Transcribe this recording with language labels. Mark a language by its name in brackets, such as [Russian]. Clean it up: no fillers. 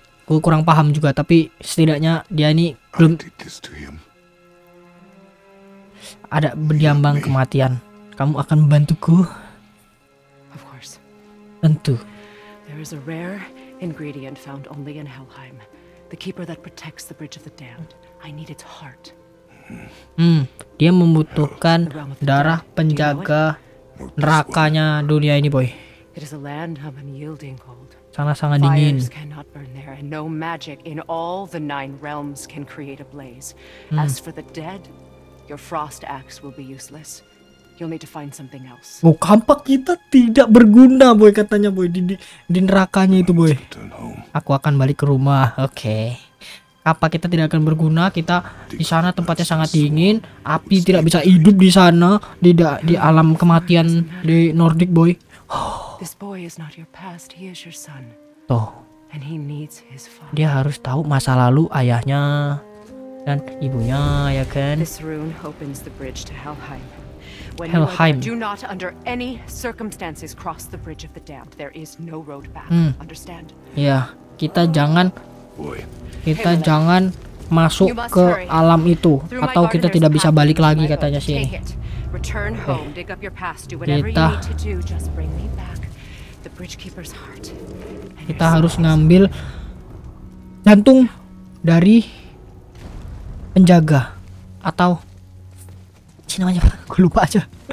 [Indonesian] Gue kurang paham juga, tapi setidaknya dia ini belum ada berdiambang kematian. Kamu akan membantuku? [English] Of course. [Indonesian] Tentu. [English] There is a rare ingredient found only in Helheim. The keeper that protects the bridge of the damned. I need its heart. [Indonesian] Dia membutuhkan darah penjaga nerakanya dunia ini, boy. [English] It is a land of unyielding cold. [Indonesian] Sangat-sangat dingin. [English] Fires cannot burn there, and no magic in all the nine realms can create a blaze. As for the dead, your frost axe will be useless. You'll need to find something else. [Indonesian] Oh, kampak kita tidak berguna, boy, katanya, boy, di nerakanya itu, boy. Aku akan balik ke rumah. Oke. Kampak kita tidak akan berguna. Kita di sana tempatnya sangat dingin. Api tidak bisa hidup di sana, di alam kematian di Nordic, boy. [English] This boy is not your past, he is your son. Toh. And he needs his father. [Indonesian] Dia harus tahu masa lalu ayahnya dan ibunya, ya kan? [English] This rune opens the bridge to Helheim. When Helheim. Do not under any circumstances cross the bridge of the damned. There is no road back. Understand? [Indonesian] Ya, kita jangan masuk ke alam itu atau kita tidak bisa balik lagi, katanya sih. [English] Return home, dig up your past, do whatever you need to do, just bring me back the bridgekeeper's heart. [Indonesian] Kita harus ngambil jantung dari penjaga atau si namanya, gue lupa aja.